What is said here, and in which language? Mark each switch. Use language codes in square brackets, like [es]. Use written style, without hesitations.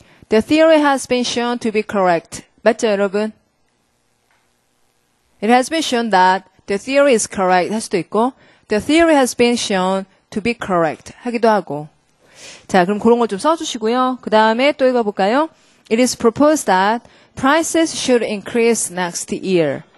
[en] The theory has been shown to be correct. [ko] 맞죠, 여러분? [en] It has been shown that the theory is correct. [ko] 할 수도 있고, [en] The theory has been shown to be correct. [ko] 하기도 하고. 자, 그럼 그런 걸좀 써주시고요. 그 다음에 또 읽어볼까요? [en] It is proposed that prices should increase next year.